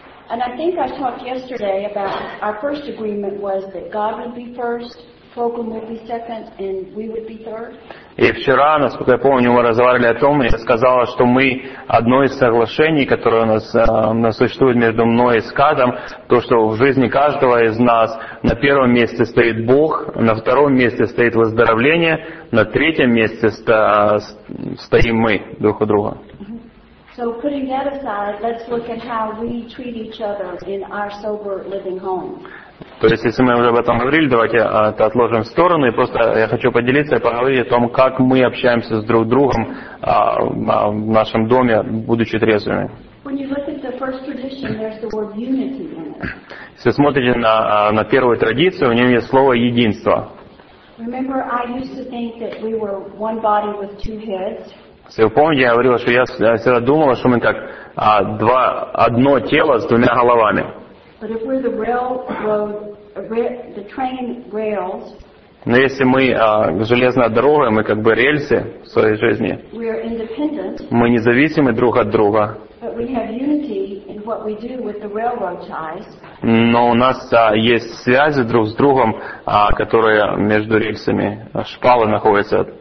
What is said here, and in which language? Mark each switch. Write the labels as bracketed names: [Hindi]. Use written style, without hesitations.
[English] And I think I talked yesterday about our first agreement was that God would be first, Program would be second, and we would be third. [Russian] И вчера, насколько я помню, мы разговаривали о том, и я сказала, что мы одно из соглашений, которое у нас существует между мной и Скадом, то, что в жизни каждого из нас на первом месте стоит Бог, на втором месте стоит выздоровление, на третьем месте стоим мы друг у друга. [English] So putting that aside, let's look at how we treat each other in our sober living home. [Russian] То есть, если мы уже об этом говорили, давайте это отложим в сторону, и просто я хочу поделиться и поговорить о том, как мы общаемся с друг другом в нашем доме, будучи трезвыми. Если смотрите на первую традицию, у нее есть слово «единство». [English] Remember, I used to think that we were one body with two heads. [Russian] Если вы помните, я говорила, что я всегда думала, что мы как одно тело с двумя головами. [English] But if we're the railroad, the train rails. [Russian] Но если мы железная дорога, мы как бы рельсы в своей жизни. [English] We are independent. [Russian] Мы независимы друг от друга. [English] But we have unity in what we do with the railroad ties. [Russian] Но у нас есть связи друг с другом, которые между рельсами, шпалы находятся.